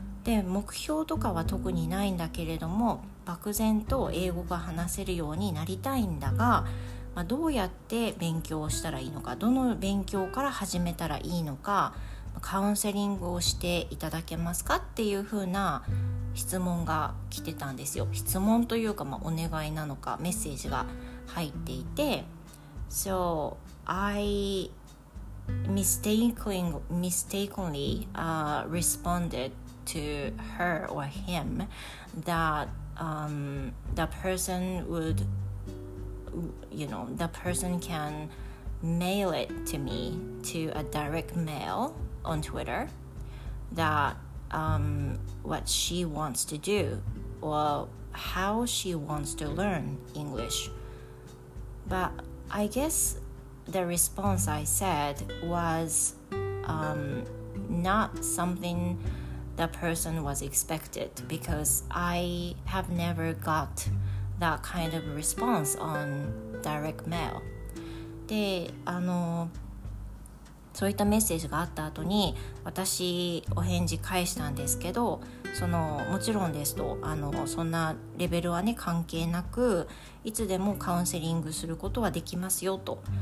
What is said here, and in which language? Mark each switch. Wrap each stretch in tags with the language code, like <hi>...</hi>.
<ja>で、目標とかは特にないんだけれども漠然と英語が話せるようになりたいんだが、どうやって勉強したらいいのか、どの勉強から始めたらいいのか、カウンセリングをしていただけますかっていうふうな質問が来てたんですよ。質問というか、お願いなのかメッセージが入っていて、</ja> <en>So I mistakenly responded to her or him that the person would, you know, the person can mail it to me to a direct mail on Twitter that what she wants to do or how she wants to learn English. But I guess the response I said was not something the person was expected, because I have never got that kind of response on direct mail.</en> <ja>で、そういったメッセージがあった後に私お返事返したんですけど、そのもちろんですと、そんなレベルはね関係なく、いつでもカウンセリングすることはできますよと。</ja>